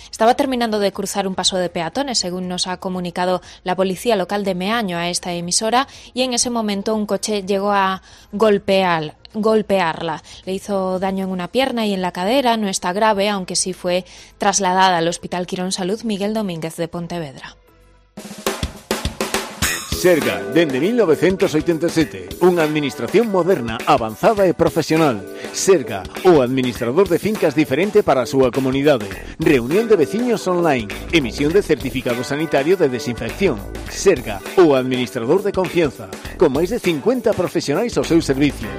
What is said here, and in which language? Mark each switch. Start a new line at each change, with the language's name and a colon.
Spanish: Estaba terminando de cruzar un paso de peatones, según nos ha comunicado la policía local de Meaño a esta emisora, y en ese momento un coche llegó a golpearla. Le hizo daño en una pierna y en la cadera. No está grave, aunque sí fue trasladada al Hospital Quirón Salud Miguel Domínguez de Pontevedra.
Galician: Serga, dende 1987, unha administración moderna, avanzada e profesional. Serga, o administrador de fincas diferente para a súa comunidade. Reunión de veciños online, emisión de certificado sanitario de desinfección. Serga, o administrador de confianza, con máis de 50 profesionais ao seu servicio.